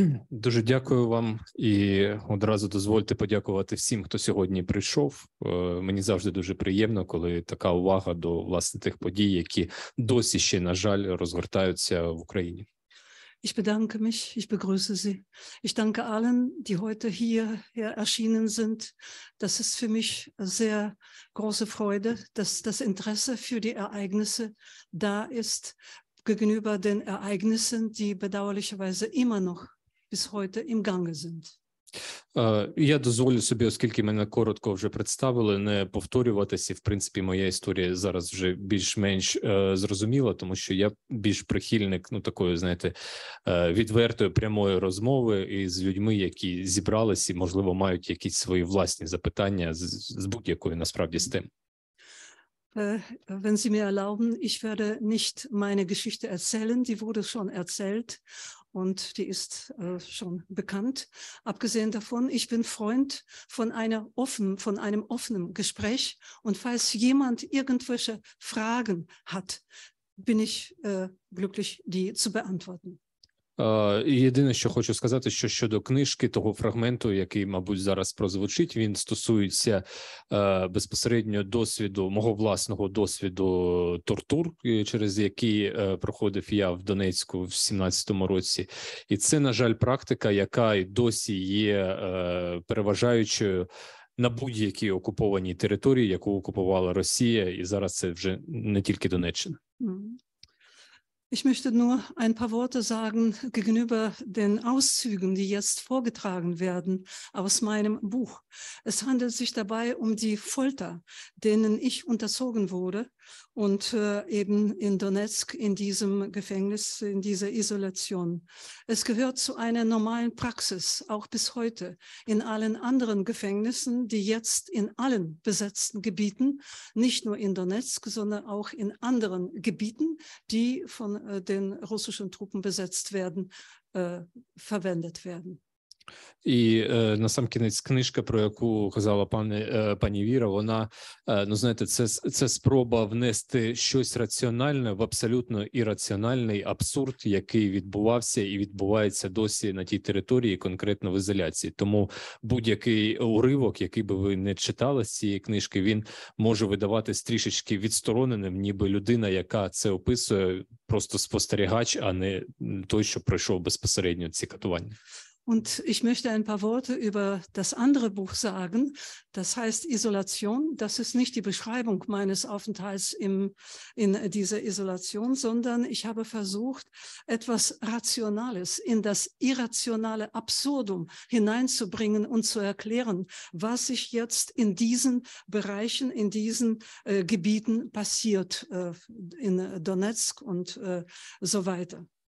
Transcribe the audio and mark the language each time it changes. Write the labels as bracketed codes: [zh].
[uk] Дуже дякую вам і одразу дозвольте подякувати всім, хто сьогодні прийшов. Мені завжди дуже приємно, коли така увага до власне тих подій, які досі ще, на жаль, розгортаються в Україні. [de] Ich bedanke mich, ich begrüße Sie. Ich danke allen, die heute hier erschienen sind. Das ist für mich sehr große Freude, dass das Interesse für die Ereignisse da ist, gegenüber den Ereignissen, die bedauerlicherweise immer noch bis heute im Gange sind. [uk] Я дозволю собі, оскільки мене коротко вже представили, не повторюватися. В принципі, моя історія зараз вже більш-менш зрозуміла, тому що я більш прихильник, такої, знаєте, відвертої прямої розмови із людьми, які зібрались і, можливо, мають якісь свої власні запитання з будь-якої насправді з тим. [de] Wenn Sie mir erlauben, ich werde nicht meine Geschichte erzählen, die wurde schon erzählt und die ist schon bekannt. Abgesehen davon, ich bin Freund von einem offenen Gespräch und falls jemand irgendwelche Fragen hat, bin ich glücklich, die zu beantworten. [uk] Єдине, що хочу сказати, що щодо книжки, того фрагменту, який, мабуть, зараз прозвучить, він стосується безпосередньо досвіду, мого власного досвіду тортур, через який проходив я в Донецьку в 17-му році. І це, на жаль, практика, яка й досі є переважаючою на будь-якій окупованій території, яку окупувала Росія, і зараз це вже не тільки Донеччина. [de] Ich möchte nur ein paar Worte sagen gegenüber den Auszügen, die jetzt vorgetragen werden aus meinem Buch. Es handelt sich dabei um die Folter, denen ich unterzogen wurde und eben in Donetsk, in diesem Gefängnis, in dieser Isolation. Es gehört zu einer normalen Praxis, auch bis heute, in allen anderen Gefängnissen, die jetzt in allen besetzten Gebieten, nicht nur in Donetsk, sondern auch in anderen Gebieten, die von den russischen Truppen besetzt werden, verwendet werden. [uk] І на сам кінець книжка, про яку казала пані Віра, вона, знаєте, це спроба внести щось раціональне в абсолютно ірраціональний абсурд, який відбувався і відбувається досі на тій території, конкретно в ізоляції. Тому будь-який уривок, який би ви не читали з цієї книжки, він може видаватись трішечки відстороненим, ніби людина, яка це описує, просто спостерігач, а не той, що пройшов безпосередньо ці катування. [de] Und ich möchte ein paar Worte über das andere Buch sagen. Das heißt Isolation. Das ist nicht die Beschreibung meines Aufenthalts in dieser Isolation, sondern ich habe versucht, etwas Rationales in das irrationale Absurdum hineinzubringen und zu erklären, was sich jetzt in diesen Bereichen, in diesen Gebieten passiert, in Donetsk und so weiter.